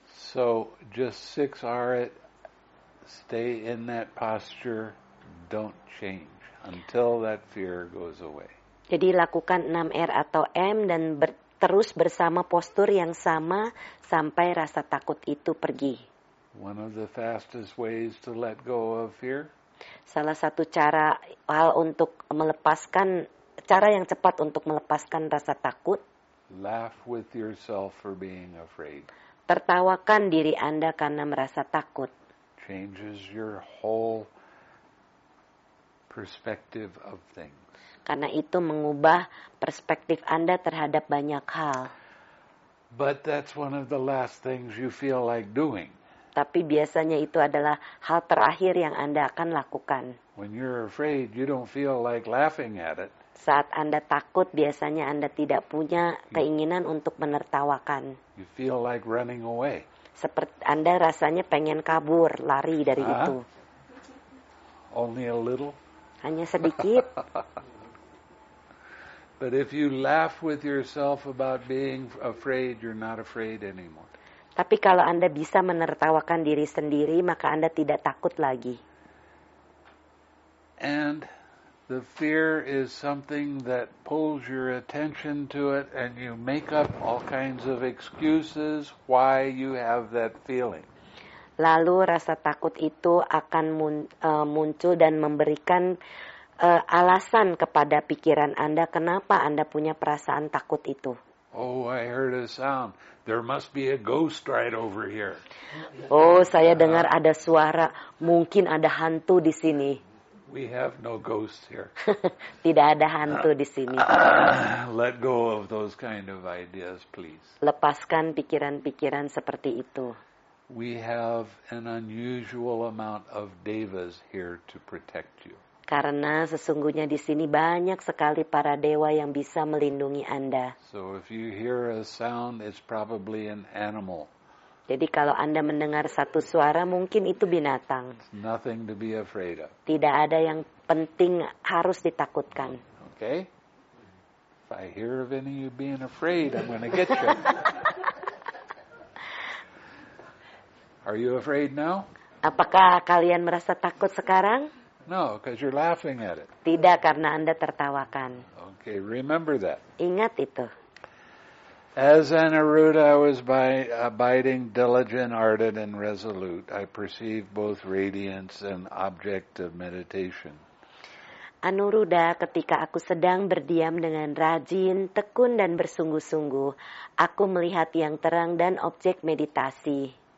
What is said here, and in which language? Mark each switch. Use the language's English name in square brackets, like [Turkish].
[English] So just six R it, stay in that posture, don't change. Until that fear goes away. [Indonesian] Jadi lakukan 6 R atau M dan terus bersama postur yang sama sampai rasa takut itu pergi. [English] One of the fastest ways to let go of fear. [Indonesian] Salah satu cara untuk melepaskan, cara yang cepat untuk melepaskan rasa takut. [English] Laugh with yourself for being afraid. [Indonesian] Tertawakan diri Anda karena merasa takut. [English] Changes your whole perspective of things. [Indonesian] Karena itu mengubah perspektif Anda terhadap banyak hal. [English] But that's one of the last things you feel like doing. [Indonesian] Tapi biasanya itu adalah hal terakhir yang Anda akan lakukan. [English] When you're afraid, you don't feel like laughing at it. [Indonesian] Saat Anda takut, biasanya Anda tidak punya keinginan untuk menertawakan. [English] You feel like running away. [Indonesian] Seperti Anda rasanya pengen kabur, lari dari itu. [English] Only a little. [Indonesian] Hanya sedikit. [English] But if you laugh with yourself about being afraid, you're not afraid anymore. [Indonesian] Tapi kalau Anda bisa menertawakan diri sendiri, maka Anda tidak takut lagi. [English] And The fear is something that pulls your attention to it, and you make up all kinds of excuses why you have that feeling. [Indonesian] Lalu rasa takut itu akan muncul dan memberikan alasan kepada pikiran Anda kenapa Anda punya perasaan takut itu. [English] Oh, I heard a sound. There must be a ghost right over here. [Indonesian] Oh, saya dengar ada suara. Mungkin ada hantu di sini. [English] We have no ghosts here. [Indonesian] Tidak ada hantu di sini. [English] Let go of those kind of ideas, please. [Indonesian] Lepaskan pikiran-pikiran seperti itu. [English] We have an unusual amount of devas here to protect you. [Indonesian] Karena sesungguhnya di sini banyak sekali para dewa yang bisa melindungi Anda. [English] So if you hear a sound, it's probably an animal. [Indonesian] Jadi kalau Anda mendengar satu suara, mungkin itu binatang. [English] Nothing to be afraid of. [Indonesian] Tidak ada yang penting harus ditakutkan. [English] Okay. If I hear of any of you being afraid, I'm going to get you. Are you afraid now? [Indonesian] Apakah kalian merasa takut sekarang? [English] No, because you're laughing at it. [Indonesian] Tidak, karena Anda tertawakan. [English] Okay, remember that. [Indonesian] Ingat itu. [English] As an Aruda, I was abiding diligent, ardent, and resolute. I perceived both radiance and object of meditation. [Indonesian] Anuruddha, ketika aku sedang berdiam dengan rajin, tekun, dan bersungguh-sungguh, aku melihat yang terang dan objek meditasi.